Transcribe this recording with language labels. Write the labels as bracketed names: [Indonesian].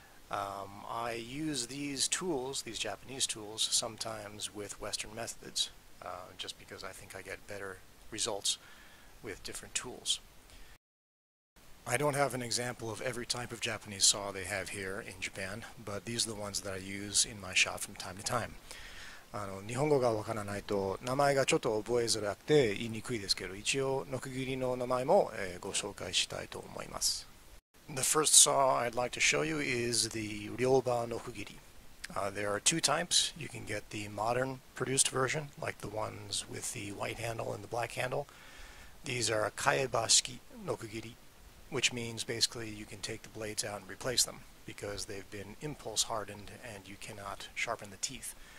[English] I use these tools, these Japanese tools, sometimes with Western methods, just because I think I get better results with different tools. I don't have an example of every type of Japanese saw they have here in Japan, but these are the ones that I use in my shop from time to time. [Japanese] 日本語がわからないと名前がちょっと覚えづらくて言いにくいですけど、一応ノコギリの名前も、ご紹介したいと思います。 [English] The first saw I'd like to show you is the Ryoba Nokugiri. There are two types. You can get the modern produced version, like the ones with the white handle and the black handle. These are Kaebashiki Nokugiri, which means basically you can take the blades out and replace them because they've been impulse hardened and you cannot sharpen the teeth.